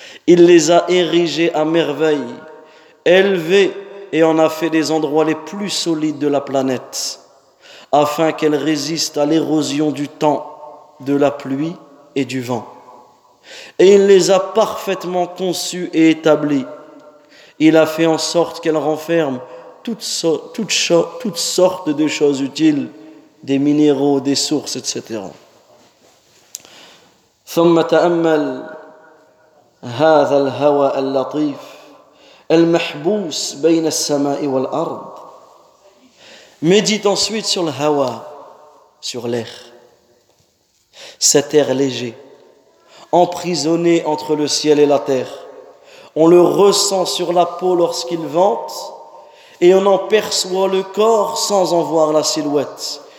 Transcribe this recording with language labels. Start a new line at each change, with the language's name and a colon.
French: Il les a érigées à merveille, élevées et en a fait des endroits les plus solides de la planète, afin qu'elles résistent à l'érosion du temps, de la pluie et du vent. Et il les a parfaitement conçues et établies. Il a fait en sorte qu'elles renferment toutes sortes de choses utiles, des minéraux, des sources, etc.
Arabic: ثم تأمل هذا الهوى اللطيف المحبوس بين السماء والأرض.
French: Médite ensuite sur le hawa, sur l'air, cet air léger, emprisonné entre le ciel et la terre. On le ressent sur la peau lorsqu'il vente et on en perçoit le corps sans en voir la silhouette.